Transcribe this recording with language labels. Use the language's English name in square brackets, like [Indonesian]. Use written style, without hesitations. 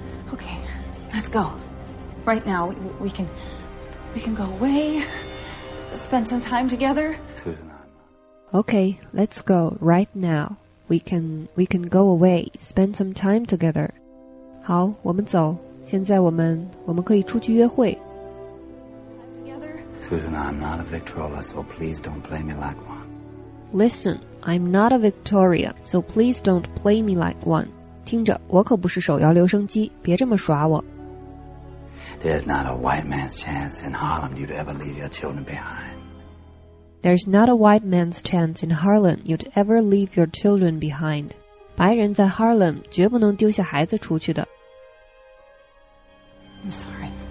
[English] Okay, let's go. Right now, we can go away, spend some time together. Susan, okay, let's go right now. We can go away, spend some time together. [Chinese] 好，我们走。现在我们可以出去约会。 [English] Susan, I'm not a Victrola, so please don't play me like one. Listen, I'm not a Victoria, so please don't play me like one. [Chinese] 听着，我可不是手摇留声机，别这么耍我。 [English] There's not a white man's chance in Harlem you'd ever leave your children behind. There's not a white man's chance in Harlem you'd ever leave your children behind. [Chinese] 白人在 Harlem 绝不能丢下孩子出去的。 [English] I'm sorry.